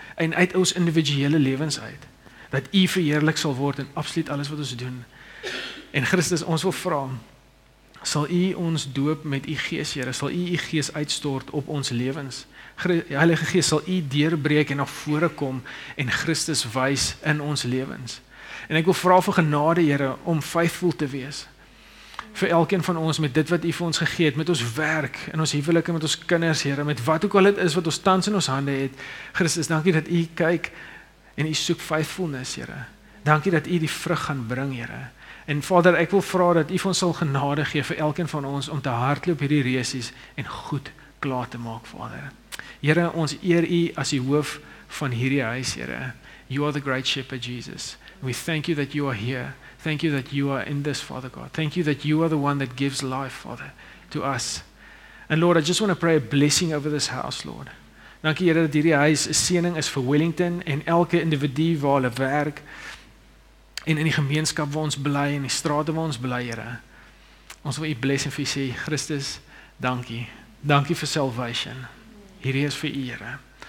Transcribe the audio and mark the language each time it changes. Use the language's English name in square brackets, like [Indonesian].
[Afrikaans] En uit ons individuele lewens uit. Dat jy verheerlik sal word in absoluut alles wat ons doen. En Christus, ons wil vra, sal jy ons doop met jy gees, Here? Sal jy jy gees uitstort op ons lewens? Heilige Gees, sal jy deurbreek en na vore kom en Christus wys in ons lewens. En ek wil vra vir genade, Here, om faithful te wees vir elkeen van ons met dit wat jy vir ons gegee het, met ons werk, in ons huwelike, met ons kinders, Here, met wat ook al dit is wat ons tans in ons hande het. Christus, dankie dat jy kyk en jy soek faithfulness, Here. Dankie dat jy die vrug gaan bring, Here. En Vader, ek wil vra dat jy vir ons sal genade gee vir elkeen van ons om te hardloop hierdie reesies en goed klaar te maak, Vader. Here, ons eer u as die hoof van hierdie huis, Here. [English] You are the great shepherd, Jesus. We thank you that you are here. Thank you that you are in this, Father God. Thank you that you are the one that gives life, Father, to us. And Lord, I just want to pray a blessing over this house, Lord. [Afrikaans] Dankie, Here, dat hierdie huis 'n seëning is vir Wellington en elke individu waar hulle werk en in die gemeenskap waar ons bly en die strate waar ons bly, Here. Ons wil u bless en vir u sê, Christus, dankie. Dankie vir salvation. Hierdie is vir u, Here.